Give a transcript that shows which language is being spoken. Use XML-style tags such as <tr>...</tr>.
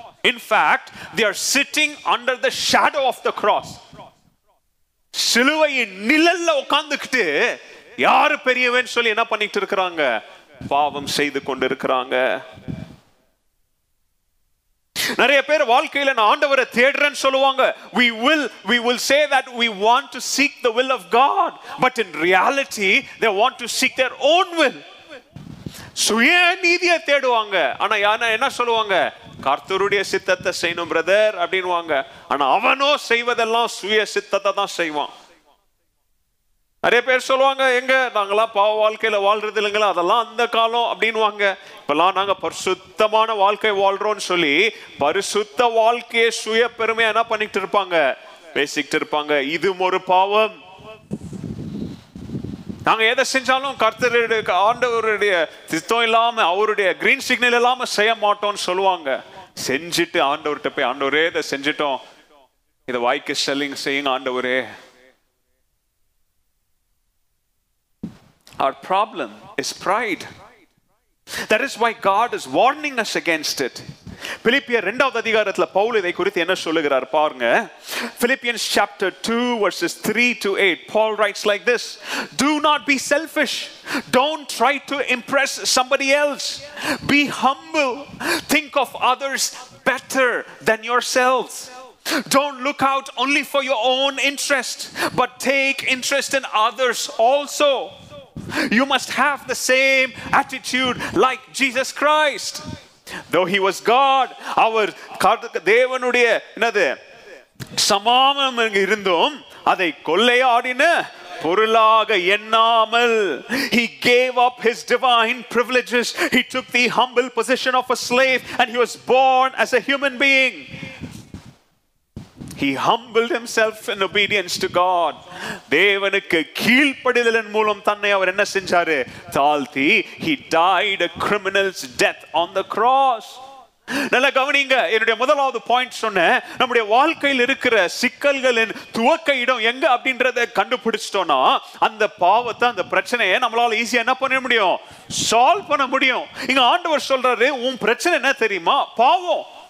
<en>In fact, they are sitting under the shadow of the cross.</en> <ta>சிலுவையின் நிழல்ல உட்கார்ந்துக்கிட்டு யார் பெரியவன் சொல்லி என்ன பண்ணிட்டு இருக்கிறாங்க, பாவம் செய்து கொண்டிருக்கிறாங்க. நிறைய பேர் வாழ்க்கையில நான் ஆண்டவரை தேடுறேன்னு சொல்லுவாங்க.</ta> <en>We will say that we want to seek the will of God, but in reality they want to seek their own will.</en> <ta>சுய நீதியை தேடுவாங்க, ஆனா யானை என்ன சொல்லுவாங்க, கர்த்தருடைய சித்தத்தை செய்யணும் பிரதர் அப்படின்வாங்க. ஆனா அவனோ செய்வதெல்லாம் சுய சித்தத்தை தான் செய்வான். நிறைய பேர் சொல்லுவாங்க, எங்க நாங்களாம் பாவ வாழ்க்கையில வாழ்றது இல்லைங்களா, அதெல்லாம் அந்த காலம் அப்படின்வாங்க. இப்பெல்லாம் நாங்க பரிசுத்தமான வாழ்க்கை வாழ்றோம்னு சொல்லி பரிசுத்த வாழ்க்கையை சுய பெருமையா என்ன பண்ணிட்டு இருப்பாங்க, பேசிக்கிட்டு இருப்பாங்க. இதுவும் ஒரு பாவம். நாங்க எதை செஞ்சாலும் கர்த்தருடைய ஆண்டவருடைய திட்டம் இல்லாம அவருடைய கிரீன் சிக்னல் இல்லாம செய்ய மாட்டோம்னு சொல்லுவாங்க. செஞ்சுட்டு ஆண்டவர்கிட்ட போய், ஆண்டவரே இதை செஞ்சிட்டோம், இதை வாய்க்கு செல்லிங் செய்யுங்க ஆண்டவரே.</ta> <en>Our problem is pride. That is why God is warning us against it.</en> <ta>பிலிப்பியர் 2 அதிகாரத்துல பவுல் இதை குறித்து என்ன சொல்லுகிறார் பாருங்க.</ta> <en>Philippians chapter 2 verses 3 to 8, Paul writes like this: Do not be selfish. Don't try to impress somebody else. Be humble. Think of others better than yourselves. Don't look out only for your own interest, but take interest in others also. You must have the same attitude like Jesus Christ. Though he was God,</en> <ta>அவர் தேவனுடைய என்னது சமானம் இருந்தும் அதை கொள்ளையாடின பொருளாக எண்ணாமல்,</ta> <en>he gave up his divine privileges, he took the humble position of a slave, and he was born as a human being. He humbled himself in obedience to God.</en> <ta>தேவனுக்கு கீழ்ப்படிதலின் மூலம் தன்னை அவர் என்ன செஞ்சாரு, தாழ்த்தி.</ta> <en>He died a criminal's death on the cross.</en> <ta>நல்லா கவனிங்க, என்னுடைய முதலாவது பாயிண்ட் சொன்னேன், நம்முடைய வாழ்க்கையில் இருக்கிற சிக்கல்களின் துவக்க இடம் எங்க அப்படின்றத கண்டுபிடிச்சிட்டோம்னா அந்த பாவத்தை, அந்த பிரச்சனையை நம்மளால ஈஸியா என்ன பண்ண முடியும், சால்வ் பண்ண முடியும். இங்க ஆண்டவர் சொல்றாரு, உன் பிரச்சனை என்ன தெரியுமா, பாவம்.</ta>